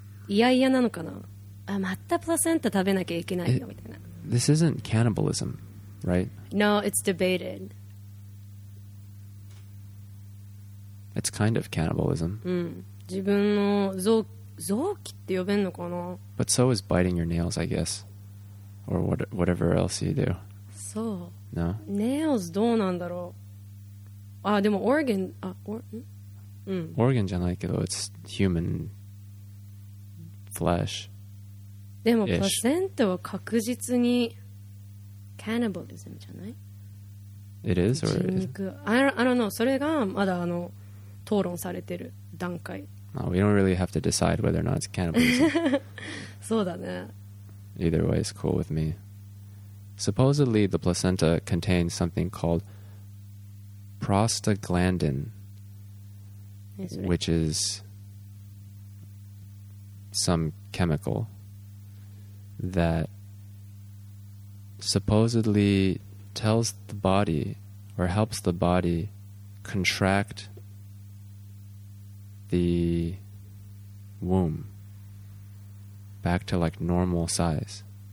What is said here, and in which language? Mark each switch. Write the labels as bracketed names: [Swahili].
[Japanese] いやいやなのかな。あ、またプラセンタ食べなきゃいけないよみたいな。 [English] This isn't cannibalism, right? No, it's debated. It's kind of cannibalism. [Japanese] うん。自分の臓器って呼べんのかな。 [English] But so is biting your nails, I guess. Or whatever else you do. [Japanese] そう。 [English] No? [Japanese] Nails どうなんだろう。あ、でもオレゴン、あ、オレ、オーガンじゃないけど、 [English] it's human flesh。 [Japanese] でも、プラセントは確実に cannibalism じゃない？ [English] It is or is it? I don't know. [Japanese] それがまだ討論されてる段階。 [English] Well, we don't really have to decide whether or not it's cannibalism. [Japanese] そうだね。 [English] Either way is cool with me. Supposedly, the placenta contains something called prostaglandin, which is some chemical that supposedly tells the body or helps the body contract the womb back to like normal size.